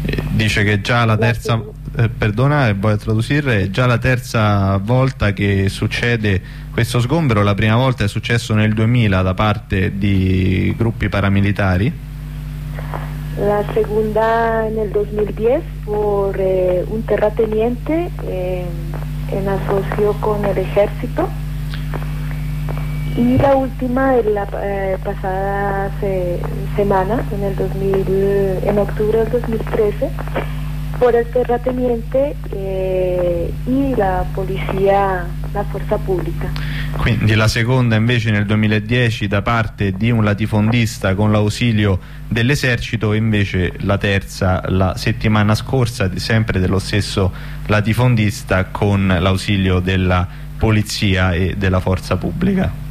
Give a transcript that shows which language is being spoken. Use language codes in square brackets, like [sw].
[it] Dice che già la terza, perdona, voglio tradurre, già la terza volta che succede questo sgombero. La prima volta è successo nel 2000 da parte di gruppi paramilitari. La seconda nel 2010 per un terrateniente in associo con l'esercito. [es] Y la última de la pasada semana, en octubre del 2013, por el terrateniente y la policía, la fuerza pública. [it] Quindi la seconda invece nel 2010 da parte di un latifondista con l'ausilio dell'esercito, invece la terza la settimana scorsa sempre dello stesso latifondista con l'ausilio della polizia e della forza pubblica.